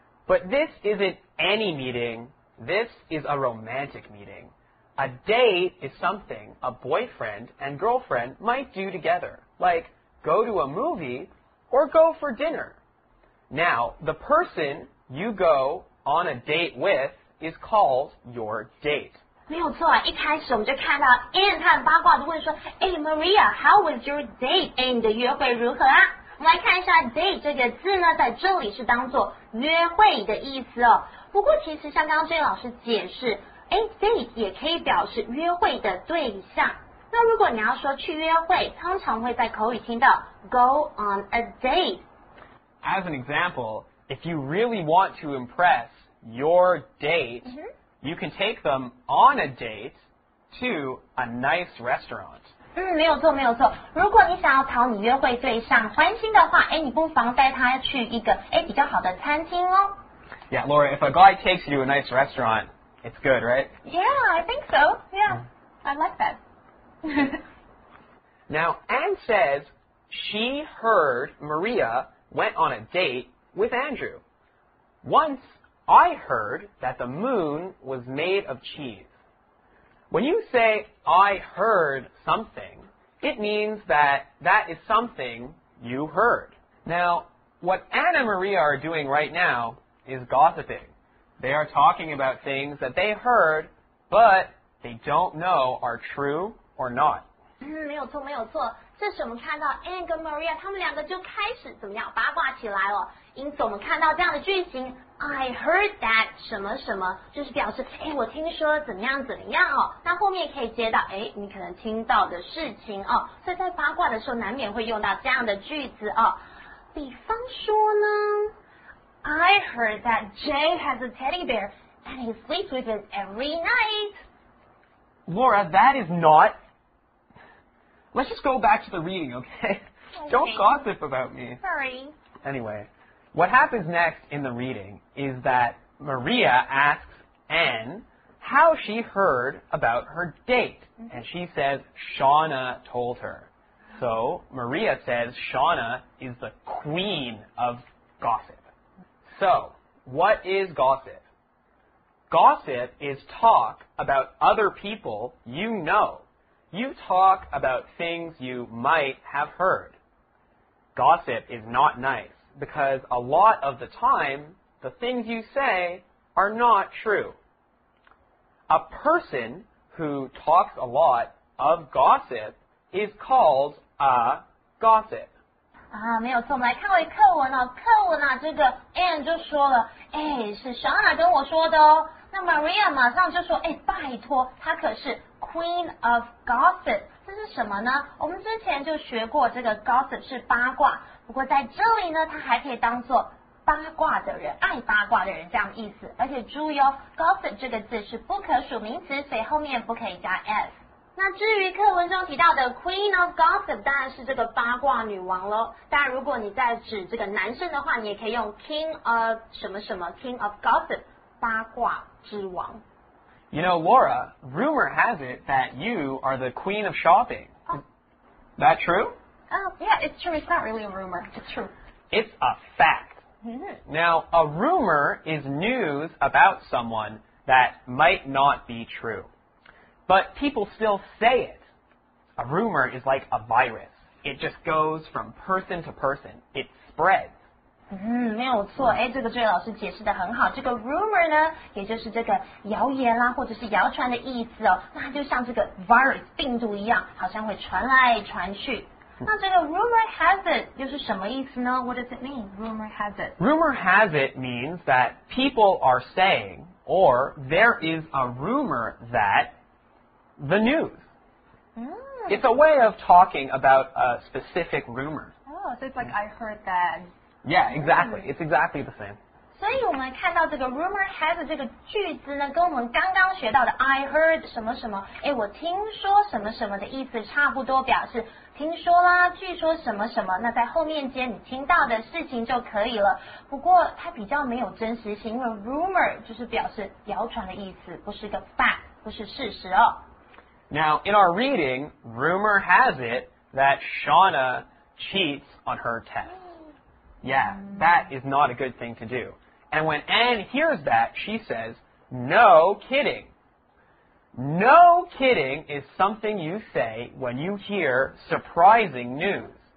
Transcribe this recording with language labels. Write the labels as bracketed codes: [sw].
[en] But this isn't any meeting. This is a romantic meeting. A date is something a boyfriend and girlfriend might do together, like go to a movie or go for dinner. Now, the person you go on a date with is called your date. [zh] 没有错啊，一开始我们就看到 Anne 她很八卦的问说，哎 ，Maria， [en] how was your date？ [zh] 哎，你的约会如何啊？我们来看一下 date 这个字呢，在这里是当做约会的意思哦。不过其实像刚刚 Jay 老师解释，哎 ，date 也可以表示约会的对象。那如果你要说去约会，通常会在口语听到 [en] go on a date。 As an example, if you really want to impress your date,、mm-hmm. you can take them on a date to a nice restaurant. [zh] 没有错，没有错。如果你想要讨你约会对象欢心的话，哎，你不妨带他去一个哎比较好的餐厅哦。 [en] Yeah, Laura, if a guy takes you to a nice restaurant, it's good, right? Yeah, I think so. Yeah, I like that. Now, Anne says she heard Maria... went on a date with Andrew. Once I heard that the moon was made of cheese. When you say I heard something, it means that that is something you heard. Now, what Anne and Maria are doing right now is gossiping. They are talking about things that they heard, but they don't know are true or not. [zh] 没有错，没有错。这时我们看到 Anne 跟 Maria 他们两个就开始怎么样八卦起来了。因此我们看到这样的句型 [en] I heard that [zh] 什么什么，就是表示哎，我听说怎么样怎么样哦。那后面可以接到哎，你可能听到的事情哦。所以在八卦的时候难免会用到这样的句子哦。比方说呢 [en] I heard that Jay has a teddy bear and he sleeps with it every night. Laura, that is notLet's just go back to the reading, okay? Okay. Don't gossip about me. Sorry. Anyway, what happens next in the reading is that Maria asks Anne how she heard about her date. Mm-hmm. And she says Shauna told her. So Maria says Shauna is the queen of gossip. So what is gossip? Gossip is talk about other people you know. You talk about things you might have heard. Gossip is not nice because a lot of the time, the things you say are not true. A person who talks a lot of gossip is called a gossip. [zh] 啊，没有错，我们来看回课文哦。课文啊，这个 Anne 就说了，哎，是 Shauna 跟我说的哦。那 Maria 马上就说，哎，拜托，她可是 Queen of Gossip， 这是什么呢？我们之前就学过这个 Gossip 是八卦，不过在这里呢，它还可以当做八卦的人，爱八卦的人这样的意思。而且注意哦 ，Gossip 这个字是不可数名词，所以后面不可以加 s。那至于课文中提到的 Queen of Gossip， 当然是这个八卦女王咯。当然如果你在指这个男生的话，你也可以用 King of 什么什么， King of Gossip， 八卦之王。 [en] You know, Laura, rumor has it that you are the Queen of Shopping. Is that true? Oh, yeah, it's true. It's not really a rumor. It's true. It's a fact. Now, a rumor is news about someone that might not be true. But people still say it. A rumor is like a virus. It just goes from person to person. It spreads. [zh] 没有错。哎，这个Joy老师解释得很好。这个 rumor 呢，也就是这个谣言啦，或者是谣传的意思哦。那它就像这个 virus 病毒一样，好像会传来传去。那这个 [en] rumor has it [zh] 又是什么意思呢？ [en] What does it mean? Rumor has it. Rumor has it means that people are saying, or there is a rumor that... The news. It's a way of talking about a specific rumor. Oh, so it's like I heard that. Yeah, exactly. It's exactly the same. [zh] 所以我们看到这个 rumor has 这个句子呢，跟我们刚刚学到的 [en] I heard [zh] 什么什么，哎，我听说什么什么的意思差不多，表示听说啦，据说什么什么，那在后面接你听到的事情就可以了。不过它比较没有真实性，因为 rumor 就是表示谣传的意思，不是个 fact， 不是事实哦。 [en] Now, in our reading, rumor has it that Shauna cheats on her test. Yeah, that is not a good thing to do. And when Anne hears that, she says, no kidding. No kidding is something you say when you hear surprising news.